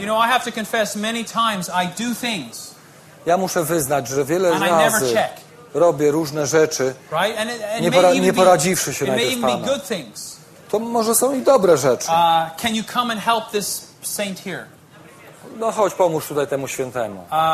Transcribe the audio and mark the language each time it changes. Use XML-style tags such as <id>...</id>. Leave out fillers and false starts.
<en>You know, I have to confess many times I do things.</en> <pl>Ja muszę wyznać, że wiele</pl> <en>and</en> <pl>razy</pl> <en>I never check.</en> <pl>Robię różne rzeczy,</pl> <en>right?</en> <pl>nie poradziwszy się najpierw z Panem. To może są i dobre rzeczy.</pl> <en>Can you come and help this saint here?</en> <pl>No chodź, pomóż tutaj temu świętemu.</pl>